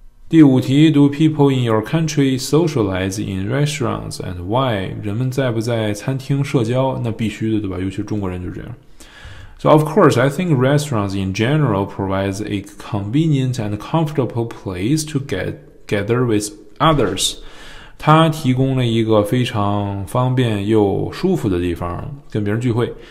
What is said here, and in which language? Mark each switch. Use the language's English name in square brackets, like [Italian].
[Chinese] 第五题 [English] ,do people in your country socialize in restaurants and why? [Chinese] 人们在不在餐厅社交，那必须的，对吧？尤其中国人就是这样。 [English] So of course, I think restaurants in general provides a convenient and comfortable place to gather with others. [Chinese] 它提供了一个非常方便又舒服的地方跟别人聚会。